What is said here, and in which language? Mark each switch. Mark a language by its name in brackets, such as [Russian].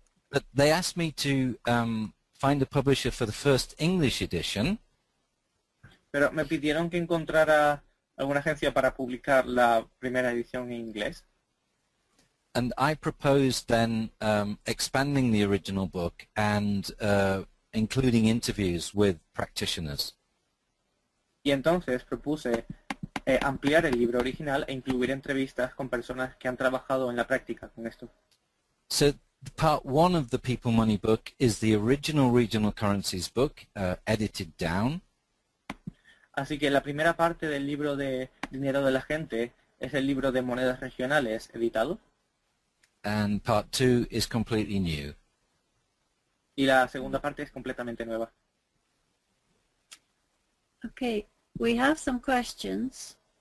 [English] But they asked me to find a publisher for the first English edition. [Spanish] Pero me pidieron que encontrara alguna agencia para publicar la primera edición en inglés. [English] And I proposed then expanding the original book and including interviews with practitioners. [Spanish] Y entonces propuse ampliar el libro original e incluir entrevistas con personas que han trabajado en la práctica con esto. [English] So part one of the People Money book is the original regional currencies book, edited down. [Spanish] Así que la primera parte del libro de Dinero de la Gente es el libro de monedas regionales editado. [English] And part two is completely new. [Spanish] Y la segunda parte es completamente nueva. [English] Okay. We have some questions.